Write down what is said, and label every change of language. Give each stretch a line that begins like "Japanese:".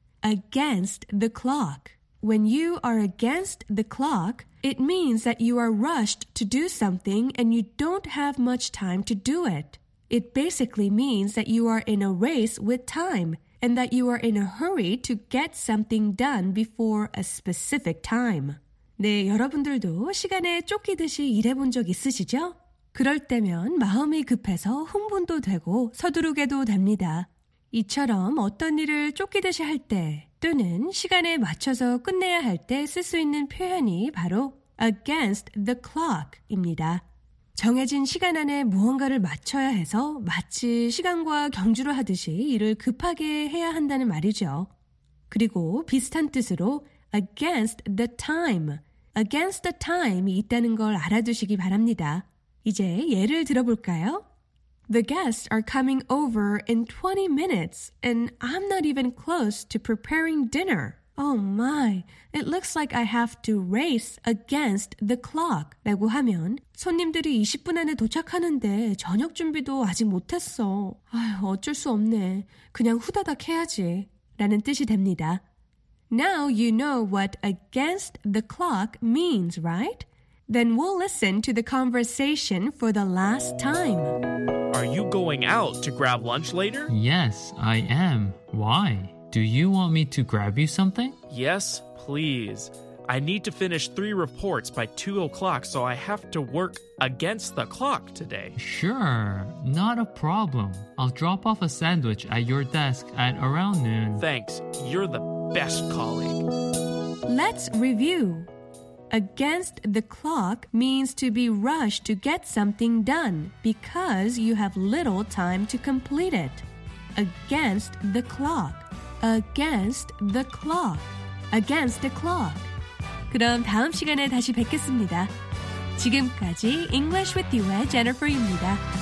English: Against the clock. When you are against the clock, it means that you are rushed to do something and you don't have much time to do it. It basically means that you are in a race with time and that you are in a hurry to get something done before a specific time.
Korean: 네, 여러분들도 시간에 쫓기듯이 일해본 적 있으시죠? 그럴 때면 마음이 급해서 흥분도 되고 서두르게도 됩니다. 이처럼 어떤 일을 쫓기듯이 할 때 또는 시간에 맞춰서 끝내야 할 때 쓸 수 있는 표현이 바로
English: against the clock
Korean: 입니다. 정해진 시간 안에 무언가를 맞춰야 해서 마치 시간과 경주를 하듯이 일을 급하게 해야 한다는 말이죠. 그리고 비슷한 뜻으로
English: against the time, against the time
Korean: 이 있다는 걸 알아두시기 바랍니다. 이제 예를 들어볼까요?
English: The guests are coming over in 20 minutes, and I'm not even close to preparing dinner. Oh my, it looks like I have to race against the clock.
Korean: 라고 하면, 손님들이 20분 안에 도착하는데 저녁 준비도 아직 못했어. 아휴, 어쩔 수 없네. 그냥 후다닥 해야지. 라는 뜻이 됩니다.
English: Now you know what against the clock means, right? Then we'll listen to the conversation for the last time. Are you going out to grab lunch later? Yes, I am. Why? Do you want me to grab you something? Yes, please. I need to finish 3 reports by 2 o'clock, so I have to work against the clock today. Sure, not a problem. I'll drop off a sandwich at your desk at around noon. Thanks, you're the best colleague. Let's review. Against the clock means to be rushed to get something done because you have little time to complete it. Against the clock. Against the clock. Against the clock.
Korean: 그럼 다음 시간에 다시 뵙겠습니다. 지금까지 English with You의 Jennifer입니다.